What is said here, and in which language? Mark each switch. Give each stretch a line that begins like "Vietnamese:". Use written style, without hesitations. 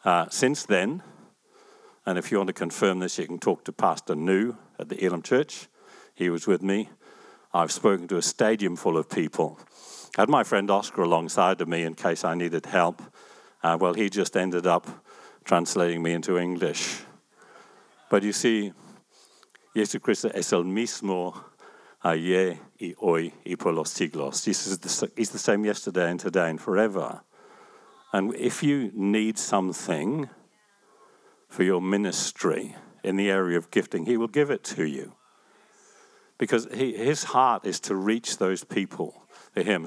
English: Since then, and if you want to confirm this, you can talk to Pastor Nu at the Elam Church. He was with me. I've spoken to a stadium full of people. I had my friend Oscar alongside of me in case I needed help. Well, he just ended up translating me into English. But you see,
Spanish: Jesucristo es el mismo ayer y hoy y por los siglos.
English: Jesus is the same yesterday and today and forever. And if you need something for your ministry in the area of gifting, he will give it to you. Because his heart is to reach those people for him.